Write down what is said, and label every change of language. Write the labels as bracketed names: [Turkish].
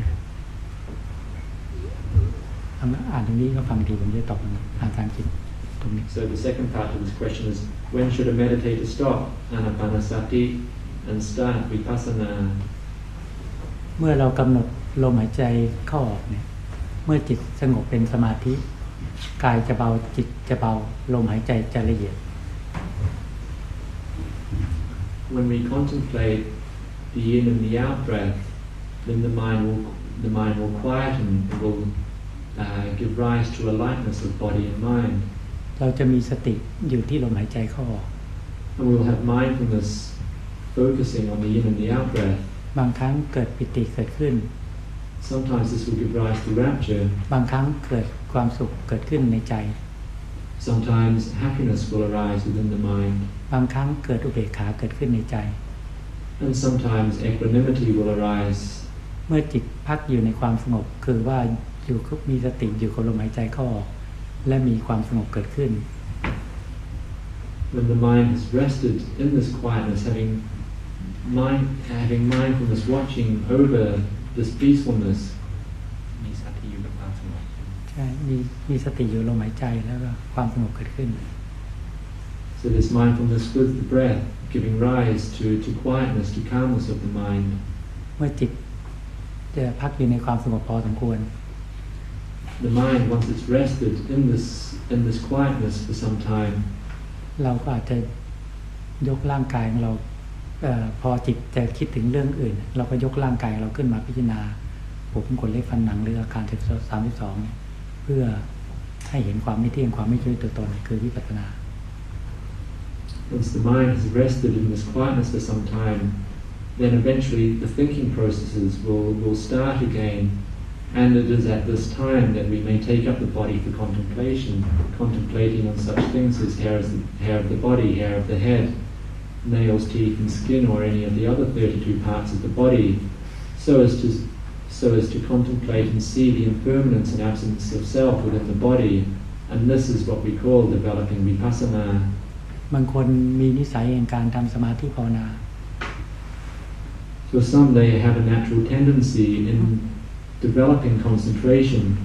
[Thai] ครับอ่านตรงนี้ก็ฟังดีผมจะตอบอาจารย์คิดตรงนี้ [English] So the second part of this question is when should a meditator stop anapanasati and start vipassana [Thai] เมื่อเรากำหนดลมหายใจเข้าออกเนี่ยเมื่อจิตสงบเป็นสมาธิกายจะเบาจิตจะเบาลมหายใจจะละเอียด [English] When we contemplate the in and the out breath then the mind will quieten and will give rise to a lightness of body and mind [Thai] เราจะมีสติอยู่ที่ลมหายใจเข้าออก [English] And we will have mindfulness focusing on the in and the out breath [Thai] บางครั้งเกิดปิติเกิดขึ้น [English] Sometimes this will give rise to rapture. [Thai] บางครั้งเกิดความสุขเกิดขึ้นในใจ [English] Sometimes happiness will arise within the mind. [Thai] บางครั้งเกิดอุเบกขาเกิดขึ้นในใจ [English] And sometimes equanimity will arise. [Thai] เมื่อจิตพักอยู่ในความสงบคือว่าอยยู่ครบมีสติอยู่กับลมหายใจเข้าออกและมีความสงบเกิดขึ้น [English] When the mind has rested in this quietness, having mindfulness watching over this peacefulness, [Thai] มีสติอยู่กับความสงบ ใช่มีสติอยู่ลมหายใจแล้วก็ความสงบเกิดขึ้น [English] So this mindfulness with the breath giving rise to quietness, to calmness of the mind. [Thai] เมื่อจิตจะพักอยู่ในความสงบพอสมควร [English] The mind once it's rested in this quietness for some time [Thai] เราก็อาจจะยกร่างกายของเราพอจิตจะคิดถึงเรื่องอื่นเราก็ยกร่างกายเราขึ้นมาพิจารณาผมขนเล็บฟันหนังหรืออาการ32เพื่อให้เห็นความไม่เที่ยงความไม่ใช่ตัวตนคือวิปัสสนา [English] Once the mind has rested in this quietness for some timeThen eventually the thinking processes will start again, and it is at this time that we may take up the body for contemplation, contemplating on such things as hair of the body, hair of the head, nails, teeth, and skin, or any of the other 32 parts of the body, so as to contemplate and see the impermanence and absence of self within the body, and this is what we call developing vipassana. [Thai] บางคนมีนิสัยในการทำสมาธิภาวนา [English] So some they have a natural tendency in developing concentration.